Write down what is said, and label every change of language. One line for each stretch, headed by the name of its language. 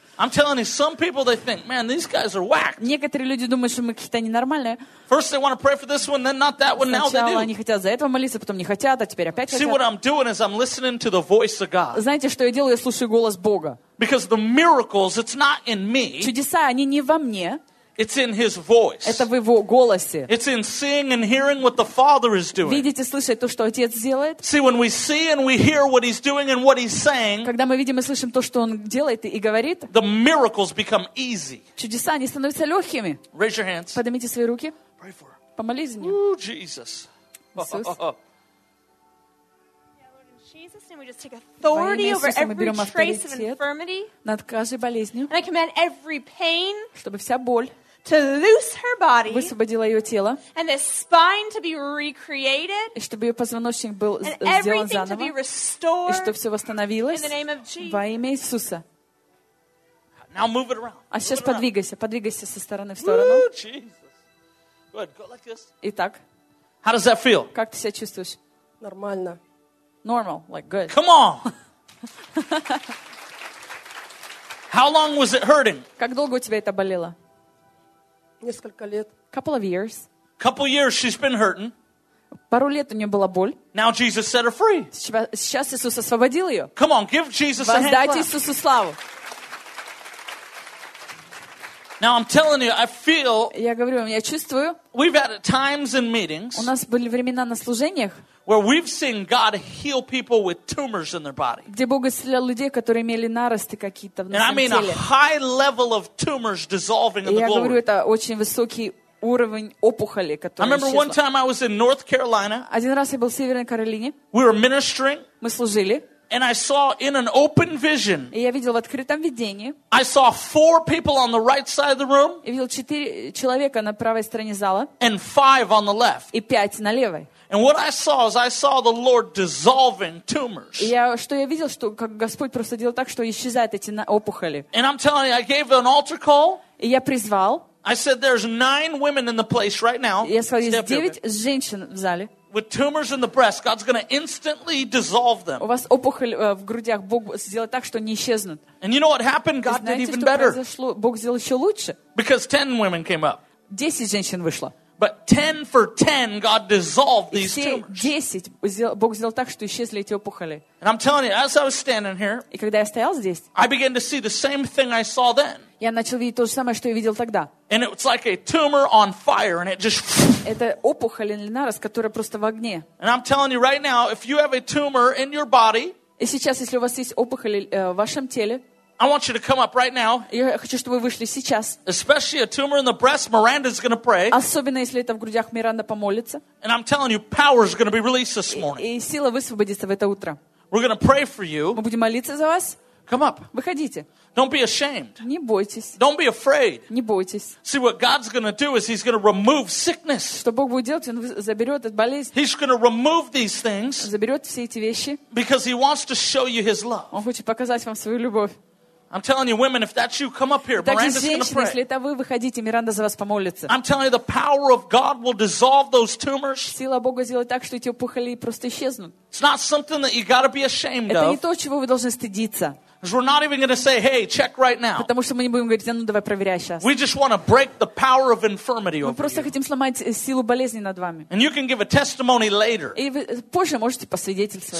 English: I'm telling you, some people, they think, man, these guys are whacked.
Russian: Некоторые люди думают, что мы какие-то ненормальные.
English: First they want to pray for this one, then not that one,
Russian: Сначала
English: now they do.
Russian: Сначала они хотят за этого молиться, потом не хотят, а теперь опять
English: See,
Russian: хотят.
English: See, what I'm doing is I'm listening to the voice of God.
Russian: Знаете, что я делаю? Я слушаю голос Бога.
English: Because the miracles, it's not in me.
Russian: Чудеса, они не во мне.
English: It's in his voice.
Russian: Это в его голосе.
English: It's in seeing and hearing what the Father is doing.
Russian: Видеть и слышать то, что Отец делает.
English: See, when we see and we hear what he's doing and what he's saying,
Russian: когда мы видим и слышим то, что он делает и говорит,
English: the miracles become easy.
Russian: Чудеса, они становятся легкими.
English: Raise your hands.
Russian: Поднимите свои руки.
English: Pray for her.
Russian: Помолись за нее.
English: Ooh, Jesus.
Russian: Иисус.
English: Jesus, and we just take authority over every trace of infirmity. And I command every pain to loose her body and this spine to be recreated and everything to be restored in the name of Jesus. Now move it around.
Russian: А сейчас подвигайся со стороны в сторону.
English: Jesus. Good. Go like this.
Russian: Итак.
English: How does that feel?
Russian: Как ты себя чувствуешь? Нормально.
English: Normal, like good. Come on. How long was it hurting?
Russian: Как долго у тебя это болело? Несколько лет.
English: Couple of years. Couple years she's been hurting.
Russian: Пару лет у нее была боль.
English: Now Jesus set her free.
Russian: Сейчас Иисус освободил ее.
English: Come on, give Jesus a hand.
Russian: Воздайте Иисусу славу.
English: Now I'm telling you, I feel.
Russian: Я говорю вам, я чувствую.
English: We've had times in meetings.
Russian: У нас были времена на служениях.
English: Where we've seen God heal people with tumors in their body.
Russian: Где Бог исцелял людей, которые имели наросты какие-то в теле.
English: And I mean a high level of tumors dissolving in the glory.
Russian: Я говорю, это очень высокий уровень опухоли, который исчезла.
English: I remember one time I was in North Carolina.
Russian: Один раз я был в Северной Каролине.
English: We were ministering.
Russian: Мы служили.
English: And I saw in an open vision.
Russian: И я видел в открытом видении.
English: I saw four people on the right side of the room.
Russian: Я видел четыре человека на правой стороне зала.
English: And five on the left.
Russian: И пять на левой.
English: And what I saw is I saw the Lord dissolving tumors.
Russian: Я что я видел, что как Господь просто делал так, что исчезают эти опухоли.
English: And I'm telling you, I gave an altar call.
Russian: И я призвал.
English: I said there's nine women in the place right now.
Russian: Я сказал, есть девять женщин в зале.
English: With tumors in the breast, God's going to instantly dissolve them.
Russian: У вас опухоль в грудях, Бог сделает так, что они исчезнут.
English: And you know what happened? God did even better.
Russian: Знаете, что произошло? Бог сделал еще лучше.
English: Because 10 women came up.
Russian: 10 женщин вышло.
English: But 10 for 10, God dissolved these tumors.
Russian: И все 10 Бог сделал так, что исчезли эти опухоли.
English: And I'm telling you, as I was standing here,
Russian: и когда я стоял здесь,
English: I began to see the same thing I saw then.
Russian: Я начал видеть то же самое, что я видел тогда.
English: And it was like a tumor on fire, and it just.
Russian: Это опухоль или нарост, которая просто в огне.
English: And I'm telling you right now, if you have a tumor in your body,
Russian: и сейчас, если у вас есть опухоль в вашем теле,
English: I want you to come up right now.
Russian: Я хочу, чтобы вы вышли сейчас.
English: Especially a tumor in the breast, Miranda's going to pray.
Russian: Особенно если это в грудях, Миранда помолится.
English: And I'm telling you, power is going to be released this morning.
Russian: И сила высвободится в это утро.
English: We're going to pray for you.
Russian: Мы будем молиться за вас.
English: Come up.
Russian: Выходите.
English: Don't be ashamed.
Russian: Не бойтесь.
English: Don't be afraid.
Russian: Не бойтесь.
English: See, what God's going to do is He's going to remove sickness.
Russian: Что Бог будет делать, Он заберет эту болезнь.
English: He's going to remove these things.
Russian: Заберет все эти вещи.
English: Because He wants to show you His love.
Russian: Он хочет показать вам свою любовь.
English: I'm telling you, women, if that's you, come up here.
Russian: Итак,
English: Miranda's going to pray.
Russian: Если это вы, выходите, Миранда за вас помолится.
English: I'm telling you, the power of God will dissolve those tumors.
Russian: Сила Бога сделает так, что эти опухоли просто исчезнут.
English: It's not something that you got to be ashamed of.
Russian: Это не то, чего вы должны стыдиться.
English: Because we're not even going to say, hey, check right now.
Russian: Потому что мы не будем говорить, ну давай проверяй сейчас.
English: We just want to break the power of infirmity over you.
Russian: Мы просто хотим сломать силу болезни над вами.
English: And you can give a testimony later.
Russian: И вы позже можете посвидетельствовать.